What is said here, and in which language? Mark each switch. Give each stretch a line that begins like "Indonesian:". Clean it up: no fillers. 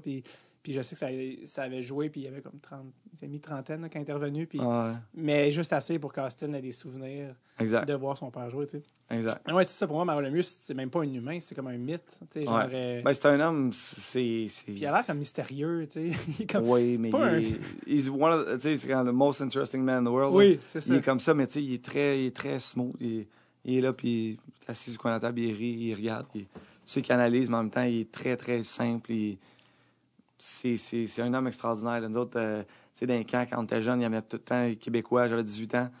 French: Puis je sais que ça avait joué, puis il y avait comme 30, il s'est mis trentaine là, quand il est revenu. Puis, ouais. Mais juste assez pour qu'Austin ait des souvenirs exact. De voir son père jouer, tu sais. Exact. Mais ouais, c'est ça pour moi, Mario Lemieux, c'est même pas un humain, c'est comme un mythe. Tu sais, ouais. Genre. Ben, c'est un homme, c'est. Puis il a l'air comme mystérieux, tu sais. Comme, oui, mais.
English: He's kind of the most interesting man in the world.
French: Oui, là. C'est ça. Il est comme ça, mais tu sais, il est très smooth. Il est là, puis il est assis sur la table, il rit, il regarde. Tu sais qu'il analyse, mais en même temps, il est très, très simple. C'est un homme extraordinaire. Là, nous autres, tu sais, dans les camps, quand on était jeunes, il y avait tout le temps les Québécois. J'avais 18 ans.